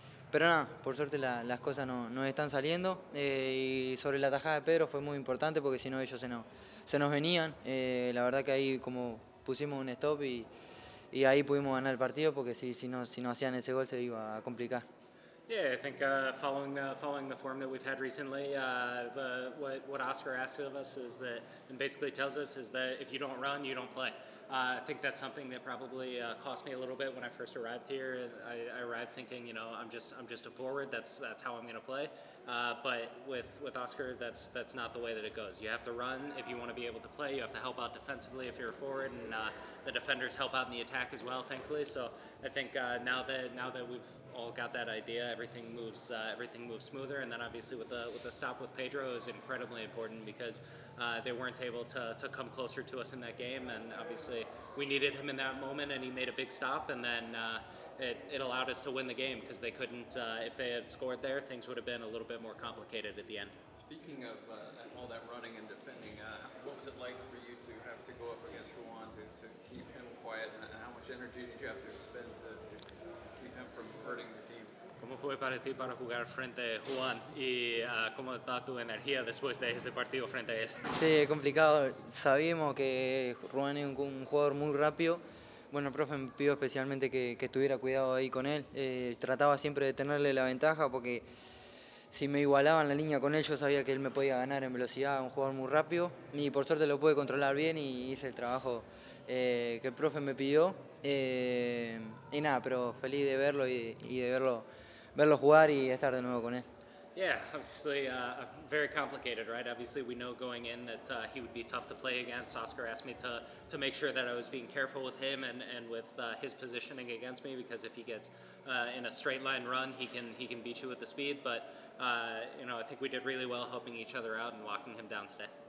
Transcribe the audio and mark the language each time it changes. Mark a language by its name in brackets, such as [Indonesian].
[Spanish] Pero nada, por suerte las cosas no están saliendo. Y sobre la tajada de Pedro fue muy importante porque si no ellos se nos venían. La verdad que ahí como... pusimos un stop y ahí pudimos ganar el partido porque si no hacían ese gol se iba a complicar. [English] Yeah, I think following the form that we've had recently, what Oscar asked of us is that, and basically tells us is that if you don't run, you don't play. I think that's something that probably cost me a little bit when I first arrived here. I arrived thinking, you know, I'm just a forward. That's how I'm going to play. But with Oscar, that's not the way that it goes. You have to run if you want to be able to play. You have to help out defensively if you're a forward, and the defenders help out in the attack as well, thankfully. So I think now that we've all got that idea, everything moves smoother. And then obviously with the stop with Pedro is incredibly important because they weren't able to come closer to us in that game, and obviously we needed him in that moment, and he made a big stop. And then it allowed us to win the game because they couldn't, if they had scored there, things would have been a little bit more complicated at the end. Speaking of all that running and defending, what was it like for you to have to go up against Juan to keep him quiet, and how much energy did you have to spend to keep him from hurting the team? [Spanish] ¿Cómo fue para ti para jugar frente a Juan? ¿Y cómo está tu energía después de ese partido frente a él? Sí, es complicado. Sabíamos que Juan es un jugador muy rápido. Bueno, el profe me pidió especialmente que estuviera cuidado ahí con él. Trataba siempre de tenerle la ventaja porque si me igualaban la línea con él, yo sabía que él me podía ganar en velocidad, un jugador muy rápido. Y por suerte lo pude controlar bien y hice el trabajo que el profe me pidió. Y nada, pero feliz de verlo verlo jugar y estar de nuevo con él. [English] Yeah, obviously very complicated, right? Obviously we know going in that he would be tough to play against. Oscar asked me to make sure that I was being careful with him and with his positioning against me, because if he gets in a straight line run, he can beat you with the speed. But you know, I think we did really well helping each other out and locking him down today.